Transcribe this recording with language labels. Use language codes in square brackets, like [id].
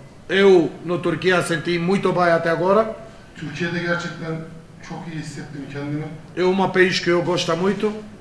[pt] Eu no Turquia senti muito bem até agora. [tr] Türkiye'de gerçekten çok iyi hissettim kendimi. [pt] É uma país que eu gosto muito.